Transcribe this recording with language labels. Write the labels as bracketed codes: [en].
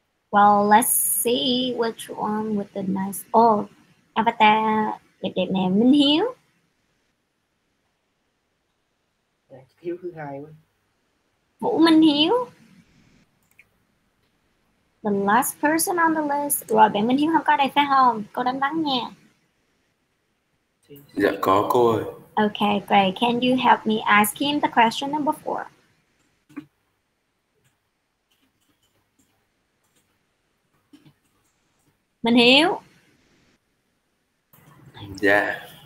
[en] Well, let's see which one with the nice. [vi] Oh, avatar đẹp đẹp nè, Minh Hiếu. Hiếu thứ hai quá. Vũ Minh Hiếu. [en] The last person on the list. [vi] Rồi bạn Minh Hiếu không có đây phải không? Cô đánh vắng nha. Dạ có cô ơi. [en] Okay, great. Can you help me ask him the question number four? Minh Hiếu. Yeah.